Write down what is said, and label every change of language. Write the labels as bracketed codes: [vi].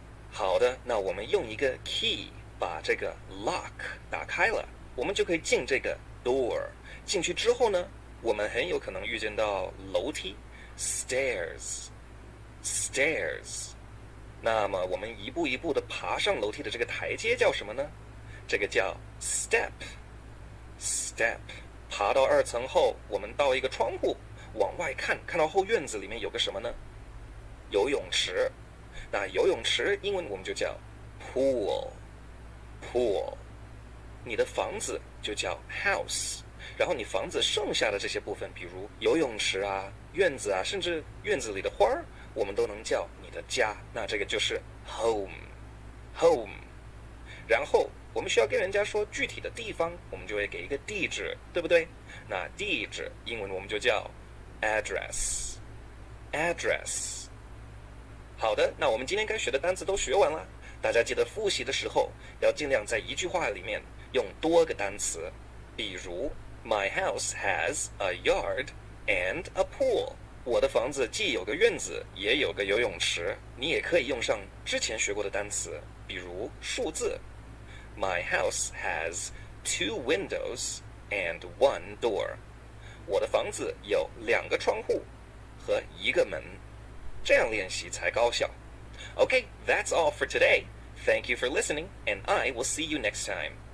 [zh] 好的，那我们用一个 key 把这个 lock 打开了，我们就可以进这个door。 进去之后呢，我们很有可能遇见到楼梯， [en] stairs, stairs. [zh] 那么我们一步一步地爬上楼梯的这个台阶叫什么呢？这个叫 step, step. 爬到二层后，我们到一个窗户，往外看，看到后院子里面有个什么呢？游泳池。那游泳池英文我们就叫 pool, pool. 你的房子就叫 house。然后你房子剩下的这些部分，比如游泳池啊、院子啊，甚至院子里的花儿，我们都能叫你的家。那这个就是 home, home。然后我们需要跟人家说具体的地方，我们就会给一个地址，对不对？那地址英文我们就叫 address, address。好的，那我们今天该学的单词都学完了，大家记得复习的时候要尽量在一句话里面用多个单词，比如。 [en] My house has a yard and a pool. [zh] 我的房子既有个院子，也有个游泳池。你也可以用上之前学过的单词，比如数字。 [en] My house has two windows and one door. [zh] 我的房子有两个窗户和一个门。这样练习才高效。 [en] Okay, that's all for today. Thank you for listening, and I will see you next time.